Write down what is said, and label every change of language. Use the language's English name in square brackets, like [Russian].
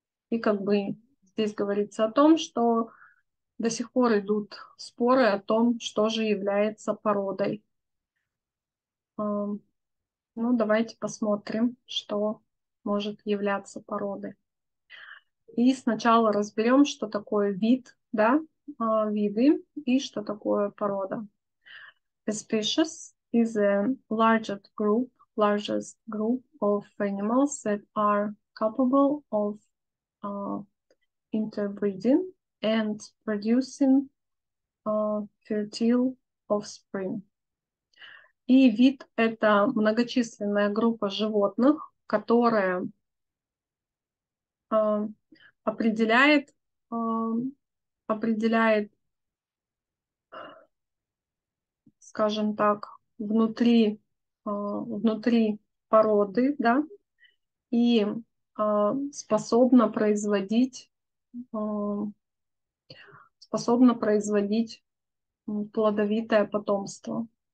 [Russian] И как бы здесь говорится о том, что до сих пор идут споры о том, что же является породой. Ну, давайте посмотрим, что может являться породой. И сначала разберем, что такое вид, да, виды и что такое порода. [English] A species is a largest group of animals that are capable of interbreeding and producing fertile offspring. [Russian] И вид – это многочисленная группа животных, которая определяет, скажем так, внутри породы, да, и способна производить плодовитое потомство.